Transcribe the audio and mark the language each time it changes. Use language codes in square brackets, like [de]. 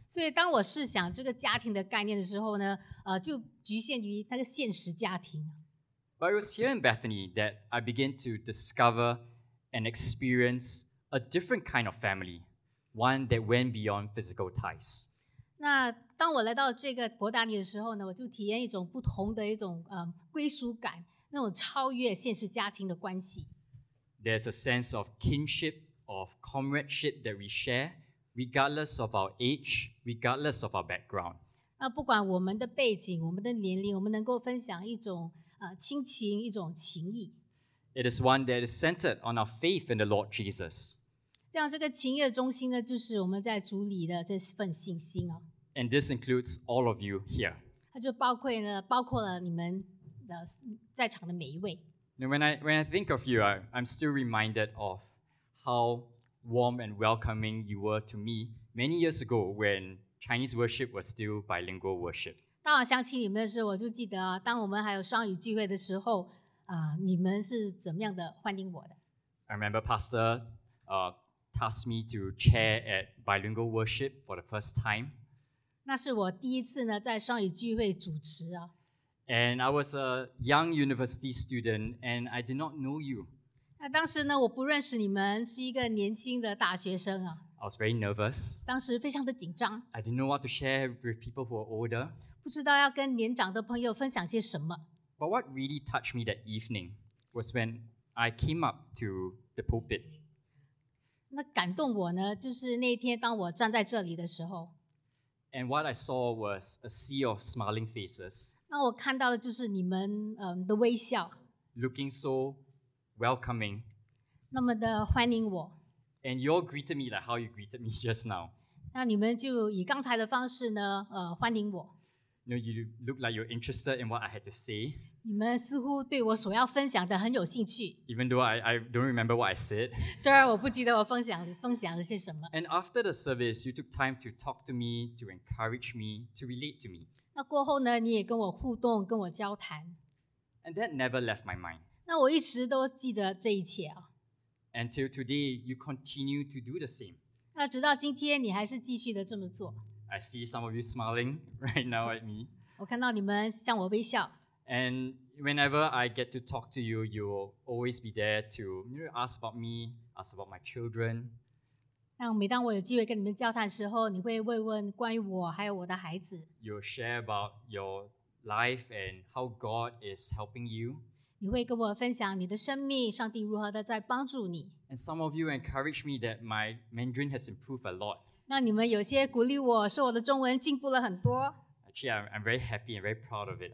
[zh] 所以当我试想这个家庭的概念的时候呢，就局限于那个现实家庭。 [en] But it was here in Bethany that I began to discover and experience a different kind of family, one that went beyond physical ties. [zh] 那当我来到这个伯大尼的时候呢，我就体验一种不同的一种归属感，那种超越现实家庭的关系。 [en] There's a sense of kinship, of comradeship that we share, regardless of our age, regardless of our background. [zh] 那不管我们的背景，我们的年龄，我们能够分享一种亲情，一种情谊。 [en] It is one that is centered on our faith in the Lord Jesus. [zh] 这样这个情谊的中心呢，就是我们在主里的这份信心哦。 [en] And this includes all of you here. [zh] 它就包括了你们的在场的每一位。 [en] Now when I think of you, I'm still reminded of how warm and welcoming you were to me many years ago when Chinese worship was still bilingual worship. [zh] 当我想起你们的时候，我就记得啊，当我们还有双语聚会的时候。你们是怎么样的欢迎我的 [en] ？I remember Pastor tasked me to chair at bilingual worship for the first time. [zh] 那是我第一次呢，在双语聚会主持啊。 [en] And I was a young university student, and I did not know you. [zh] 那当时呢，我不认识你们，是一个年轻的大学生啊。 [en] I was very nervous. [zh] 当时非常的紧张。 [en] I didn't know what to share with people who are older. [zh] 不知道要跟年长的朋友分享些什么。 [en] But what really touched me that evening was when I came up to the pulpit. [zh] 那感动我呢，就是那天当我站在这里的时候。 [en] And what I saw was a sea of smiling faces. [zh] 那我看到的就是你们的微笑。 [en] Looking so welcoming. [zh] 那么的欢迎我。 [en] And you all greeted me like how you greeted me just now. [zh] 那你们就以刚才的方式呢，欢迎我。 [en] No, you look like you're interested in what I had to say. [zh] 你们似乎对我所要分享的很有兴趣。 [en] Even though I don't remember what I said. [zh] 虽然我不记得我分享了些什么。 [en] And after the service, you took time to talk to me, to encourage me, to relate to me. [zh] 那过后呢，你也跟我互动，跟我交谈。 [en] And that never left my mind. [zh] 那我一直都记得这一切啊。 [en] Until today, you continue to do the same. [zh] 那直到今天，你还是继续的这么做。 [en] I see some of you smiling right now at me. [zh] 我看到你们向我微笑。 [en] And whenever I get to talk to you, you will always be there to ask about me, ask about my children. [zh] 那每当我有机会跟你们交谈的时候，你会问关于我还有我的孩子。 [en] You'll share about your life and how God is helping you. [zh] 你会跟我分享你的生命，上帝如何的在帮助你。 [en] And some of you encourage me that my Mandarin has improved a lot. [zh] 那你们有些鼓励我说我的中文进步了很多。 [en] Actually, I'm very happy and very proud of it.